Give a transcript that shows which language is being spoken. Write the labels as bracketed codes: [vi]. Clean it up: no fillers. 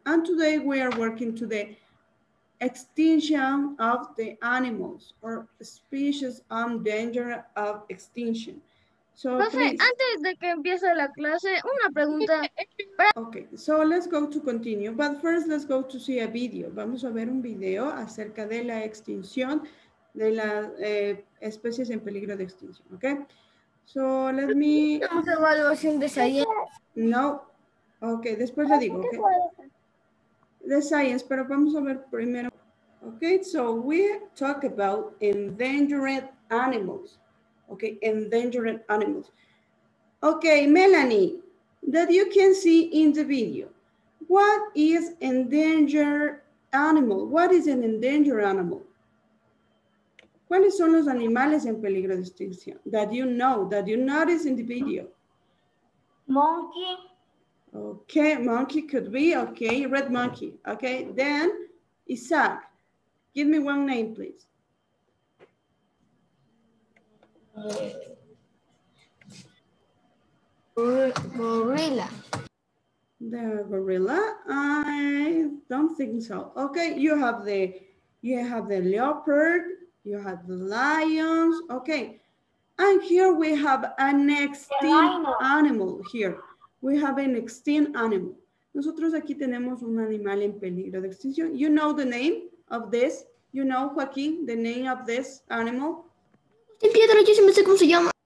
[en] And today we are working to the extinction of the animals or species on danger of extinction. So, [es] profe, [en] please. [es] Antes de que empiece la clase, una pregunta. [en] Okay, so let's go to continue. But first, let's go to see a video. [es] Vamos a ver un video acerca de la extinción de las especies en peligro de extinción, okay? [en] So let me... [es] evaluación de science. No, okay, después le digo, okay? The science, pero vamos a ver primero. [en] Okay, so we talk about endangered animals. Okay, endangered animals. Okay, Melanie, that you can see in the video, what is endangered animal? What is an endangered animal? [es] ¿Cuáles son los animales en peligro de extinción? [en] That you know, that you notice in the video. Monkey. Okay, monkey could be, okay, red monkey. Okay, then Isaac, give me one name, please. Gorilla. The gorilla? I don't think so. Okay, you have the leopard. You have the lions, okay. And here we have an extinct animal here. We have an extinct animal. [es] Nosotros aquí tenemos un animal en peligro de extinción. [en] You know the name of this? You know, Joaquín, the name of this animal? [es] Agustín Piedra, yo sí me sé cómo se llama.